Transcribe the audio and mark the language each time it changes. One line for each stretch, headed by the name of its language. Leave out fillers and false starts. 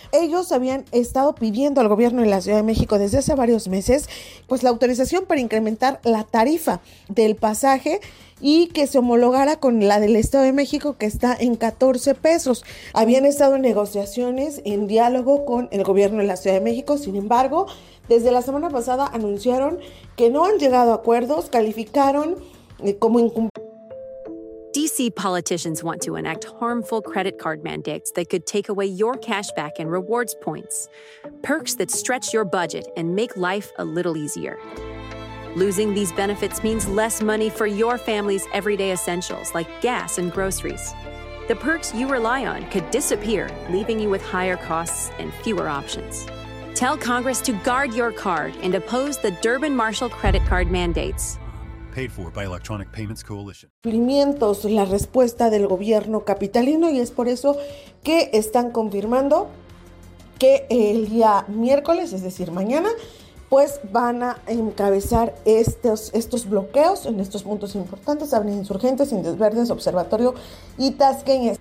Spanish: Ellos habían estado pidiendo al gobierno de la Ciudad de México desde hace varios meses, pues la autorización para incrementar la tarifa del pasaje y que se homologara con la del Estado de México, que está en 14 pesos. Habían estado en negociaciones, en diálogo con el gobierno de la Ciudad de México, sin embargo, desde la semana pasada anunciaron que no han llegado a acuerdos, calificaron como incumplidos.
English: DC politicians want to enact harmful credit card mandates that could take away your cash back and rewards points. Perks that stretch your budget and make life a little easier. Losing these benefits means less money for your family's everyday essentials like gas and groceries. The perks you rely on could disappear, leaving you with higher costs and fewer options. Tell Congress to guard your card and oppose the Durbin-Marshall credit card mandates. Paid for by Electronic Payments Coalition.
Spanish: Cumplimientos, la respuesta del gobierno capitalino, y es por eso que están confirmando que el día miércoles, es decir, mañana, pues van a encabezar estos bloqueos en estos puntos importantes: Avenida Insurgentes, Indios Verdes, Observatorio y Tasqueña.